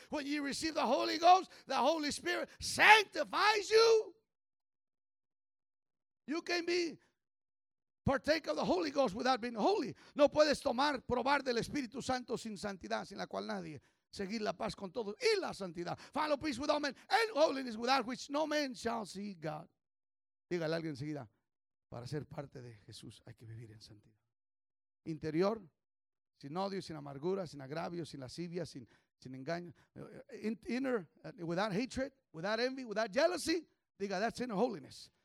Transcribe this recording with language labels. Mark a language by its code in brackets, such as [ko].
[en] When you receive the Holy Ghost, the Holy Spirit sanctifies you. You can be partake of the Holy Ghost without being holy. [es] No puedes tomar, probar del Espíritu Santo sin santidad, sin la cual nadie. Seguir la paz con todos y la santidad. [en] Follow peace with all men and holiness without which no man shall see God. [es] Dígale a alguien enseguida, para ser parte de Jesús hay que vivir en santidad. Interior, sin odio, sin amargura, sin agravio, sin lascivia, sin engaño. [en] Inner, without hatred, without envy, without jealousy. Diga, that's inner holiness.